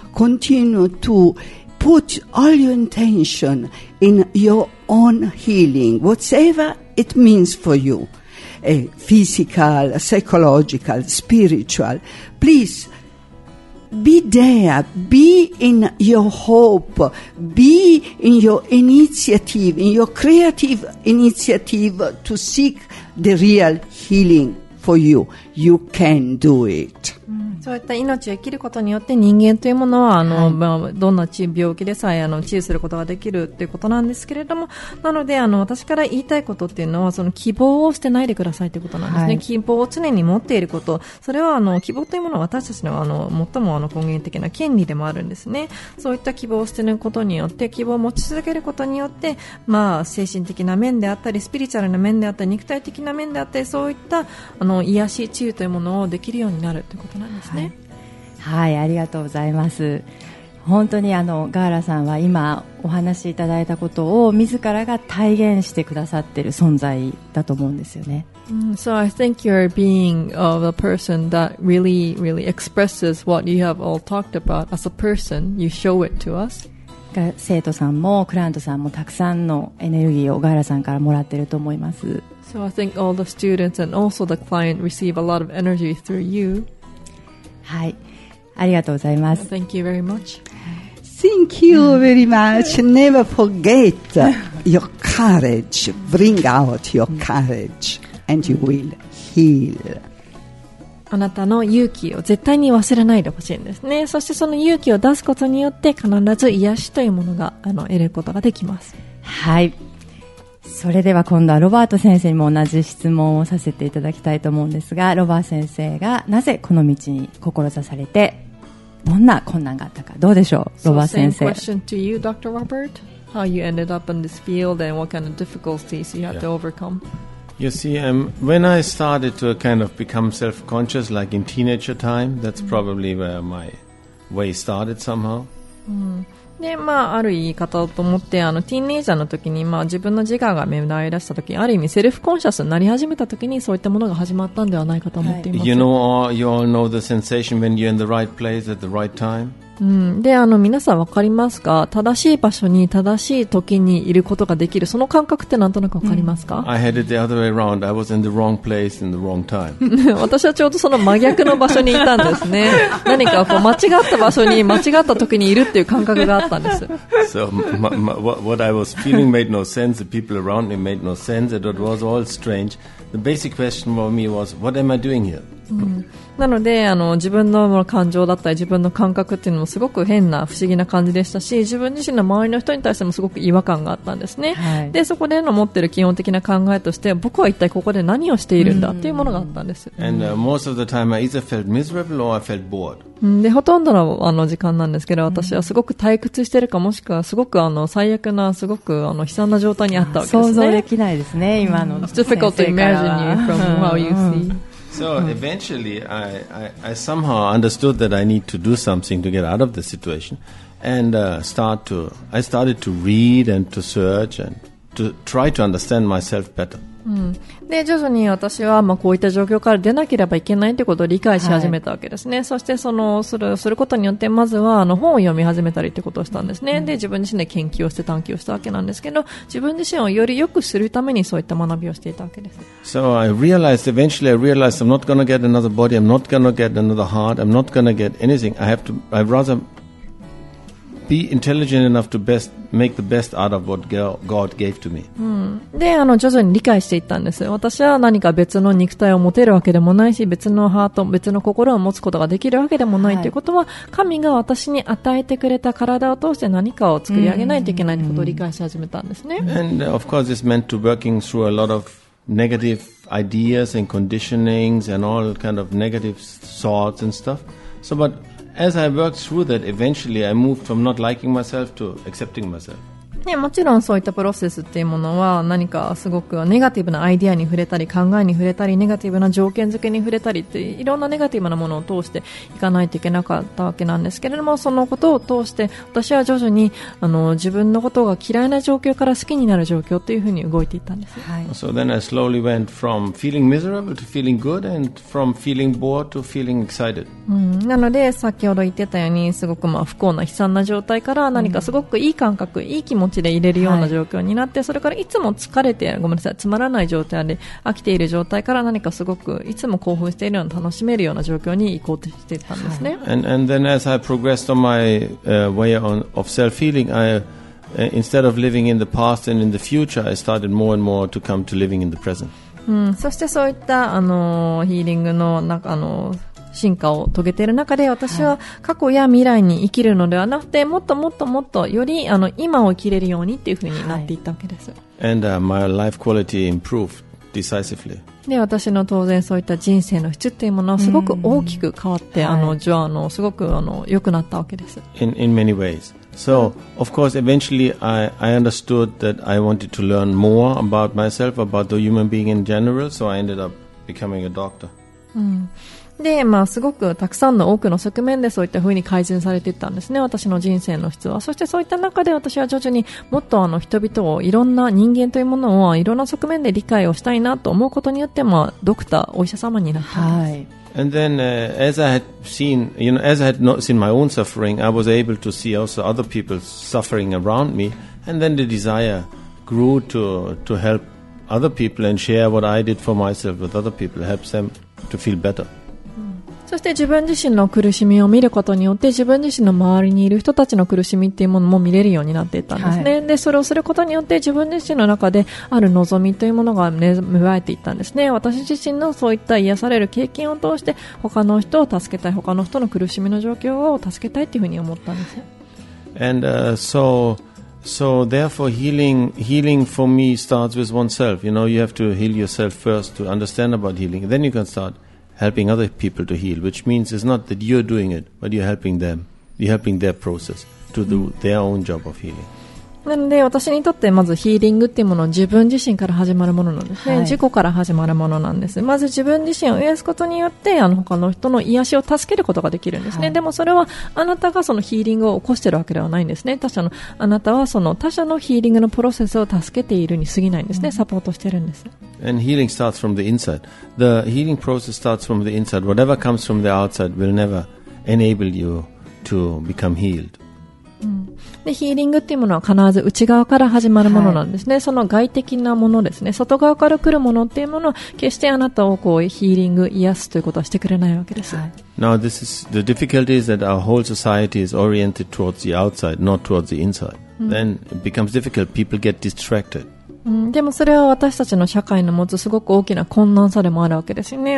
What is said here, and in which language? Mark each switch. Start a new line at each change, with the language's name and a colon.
English: Continue to put all your intention in your own healing, whatever it means for you, physical, psychological, spiritual. Please be there, be in your hope, be in your initiative, in your creative initiative to seek the real healing for you. You can do it.
Japanese: そういった命を生きることによって人間というものは、はい、まあ、どんな病気でさえ治癒することができるということなんですけれども、なので私から言いたいことっていうのは、その希望を捨てないでくださいということなんですね、はい、希望を常に持っていること、それは希望というものは私たちの最も根源的な権利でもあるんですね。そういった希望を捨てることによって、希望を持ち続けることによって、まあ、精神的な面であったり、スピリチュアルな面であったり、肉体的な面であったり、そういった癒し治癒というものをできるようになるということなんですね。はい、はい、ありがとうございます。本当にガーラさんは今お話しいただいたことを自らが体現してくださっている存在だと思うんですよね。
English: So I think you're being of a person that really really expresses what you have all talked about as a person. You show it to us.
Japanese: 生徒さんもクライアントさんもたくさんのエネルギーをガーラさんからもらっていると思います。
English: So I think all the students and also the client receive a lot of energy through you
Japanese: はい、ありがとうございます。
English: Thank you very much. Thank you very much. Never forget your courage. Bring out your courage and you will heal.
Japanese: あなたの勇気を絶対に忘れないでほしいんですね。そしてその勇気を出すことによって必ず癒しというものが得ることができます。はい、それでは今度はロバート先生にも同じ質問をさせていただきたいと思うんですが、ロバート先生がなぜこの道に志されて、どんな困難があったか、どうでしょう、ロバート先生。
English: So, same question to you, Dr. Robert. How you ended up in this field and what kind of difficulties you had to overcome? You see, when I started to kind of become self-conscious, like in teenager time, that's probably where my way started somehow.
Japanese: で、まあ、ある言い方だと思って、ティーンエイジャーの時に、まあ、自分の自我が芽生え出した時、ある意味セルフコンシャスになり始めた時に、そういったものが始まったんではないかと思っています。
English: You know, you all know the sensation when you're in the right place at the right time.
Japanese: で、皆さん分かりますか、正しい場所に正しい時にいることができる、その感覚ってなんとなく分かりますか。
English: I headed the other way around. I was in the wrong place in the wrong time.
Japanese: 私はちょうどその真逆の場所にいたんですね。何かこう間違った場所に間違った時にいるっていう感覚があったんです。
English: So what I was feeling made no sense. The people around me made no sense. It was all strange. The basic question for me was, what am I doing here?
Japanese: なので自分の感情だったり自分の感覚っていうのもすごく変な不思議な感じでしたし、自分自身の周りの人に対してもすごく違和感があったんですね、はい、でそこでの持ってる基本的な考えとして、僕は一体ここで何をしているんだっていうものがあったんです。
English: And most of the time I either felt miserable or I felt bored。
Japanese: でほとんどの時間なんですけど、私はすごく退屈してるか、もしくはすごく最悪な、すごく悲惨な状態にあったわけですね。想像できないですね今の先生から。
English: It's difficult to imagine you from how you see。 So eventually I somehow understood that I need to do something to get out of the situation and I started to read and to search and to try to understand myself better。
Japanese: で徐々に私はこういった状況から出なければいけないということを理解し始めたわけですね、はい、そしてすることによってまずは本を読み始めたりということをしたんですね、うん、で自分自身で研究をして探究をしたわけなんですけど、自分自身をより良くするためにそういった学びをしていたわけです。
English: So I realized, eventually I realized I'm not going to get another body, I'm not going to get another heart, I'm not going to get anything. I'd rather be intelligent enough to bestmake the best out of what God gave to me。
Japanese: で徐々に理解していったんです。私は何か別の肉体を持てるわけでもないし、別のハート、別の心を持つことができるわけでもないということは、はい、神が私に与えてくれた体を通して何かを作り上げないといけないということを理解し始めたんですね。
English: And of course this meant to working through a lot of negative ideas and conditionings and all kind of negative thoughts and stuff。 So butAs I worked through that, eventually I moved from not liking myself to accepting myself.
Japanese: ね、もちろんそういったプロセスっていうものは、何かすごくネガティブなアイデアに触れたり、考えに触れたり、ネガティブな条件付けに触れたりって、いろんなネガティブなものを通していかないといけなかったわけなんですけれども、そのことを通して私は徐々に自分のことが嫌いな状況から好きになる状況っていうふうに動いていったんです、はい、
English: So then I slowly went from feeling miserable to feeling good and from feeling bored to feeling excited、
Japanese: なので先ほど言ってたように、すごく不幸な悲惨な状態から何かすごくいい感覚、いい気持ち持ちで入れるような状況になって、はい、それからいつも疲れて、ごめんなさい、つまらない状態で飽きている状態から、何かすごくいつも興奮しているような、楽しめるような状況に移行していたんですね、はい、
English: and then as I progressed on my way of self-healing, I instead of living in the past and in the future, I started more and more to come to living in the present、
Japanese: そしてそういったヒーリングの中進化を遂げている中で、私は過去や未来に生きるのではなくて、はい、もっともっともっとより今を生きれるようにっていう風になっていったわけです、はい、
English: And my life quality improved decisively。
Japanese: で私の当然そういった人生の質っていうものはすごく大きく変わって、じゃあすごく良くなったわけです。
English: In many ways。 So of course eventually I understood that I wanted to learn more about myself, about the human being in general, so I ended up becoming a doctor。
Japanese: で、すごくたくさんの多くの側面でそういったふうに改善されていったんですね、私の人生の質は。そしてそういった中で私は徐々にもっと人々を、いろんな人間というものをいろんな側面で理解をしたいなと思うことによって、ドクター、お医者様になったんです、はい、
English: And then as I had seen, as I had not seen my own suffering, I was able to see also other people's suffering around me, and then the desire grew to help other people and share what I did for myself with other people, help them to feel better。
Japanese: そして自分自身の苦しみを見ることによって、自分自身の周りにいる人たちの苦しみっていうものも見れるようになっていったんですね、はい、でそれをすることによって、自分自身の中である望みというものが芽生えていったんですね。私自身のそういった癒される経験を通して、他の人を助けたい、他の人の苦しみの状況を助けたいというふうに思ったんです。
English: And so therefore healing for me starts with oneself. You have to heal yourself first to understand about healing, then you can startHelping other people to heal, which means it's not that you're doing it, but you're helping them. You're helping their process to do their own job of healing.
Japanese: なので私にとって、まずヒーリングっていうものは自分自身から始まるものなんですね、はい、自己から始まるものなんです。まず自分自身を癒すことによって、他の人の癒しを助けることができるんですね、はい、でもそれはあなたがそのヒーリングを起こしてるわけではないんですね。他者のあなたはその他者のヒーリングのプロセスを助けているに過ぎないんですね、うん、サポートしてるんです。
English: And healing starts from the inside. The healing process starts from the inside. Whatever comes from the outside will never enable you to become healed.
Japanese: でヒーリングっていうものは必ず内側から始まるものなんですね、はい、その外的なものですね、外側から来るものっていうものは、決してあなたをこうヒーリング、癒すということはしてくれないわけです、はい、
English: Now this is the difficulty is that our whole society is oriented towards the outside, not towards the inside、
Japanese: うん、
English: Then it becomes difficult, people get distracted、う
Japanese: でもそれは私たちの社会の持つすごく大きな困難さでもあるわけですね。